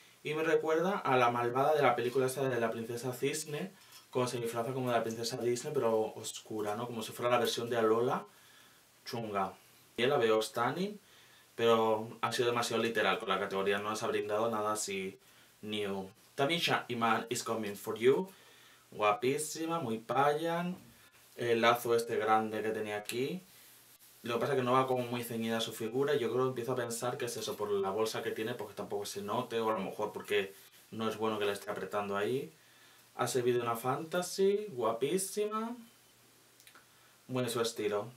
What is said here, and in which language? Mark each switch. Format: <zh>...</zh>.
<es>Y me recuerda a la malvada de la película esa de la princesa Cisne, como se disfraza como de la princesa Disney, pero oscura, ¿no? Como si fuera la versión de Alola chunga. Y la veo stunning, pero ha sido demasiado literal con la categoría. No nos ha brindado nada así new.</es> <en>Tamisha Iman is coming for you.</en> <es>Guapísima, muy payan. El lazo este grande que tenía aquí. Lo que pasa es que no va como muy ceñida su figura. Yo creo que empiezo a pensar que es eso, por la bolsa que tiene, porque tampoco se note, o a lo mejor porque no es bueno que la esté apretando ahí. Ha servido una fantasy, guapísima. Bueno, su estilo.</es>